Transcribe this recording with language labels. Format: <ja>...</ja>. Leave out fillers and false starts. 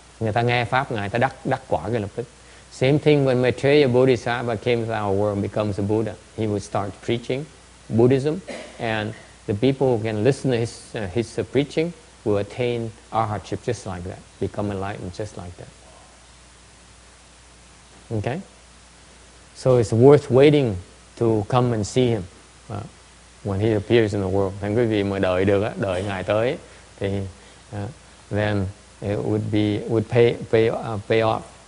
<vi>Người ta nghe Pháp, Ngài ta đắc quả ngay lập tức.</vi> <en>Same thing when Maitreya Bodhisattva came to our world and becomes a Buddha. He would start preaching Buddhism, and the people who can listen to his preaching will attain arhatship just like that, become enlightened just like that. Okay? So it's worth waiting to come and see him when he appears in the world.</en> <vi>Thành quý vị mà đợi được, đợi Ngài tới, thì</vi> <en>then it would pay off.</en>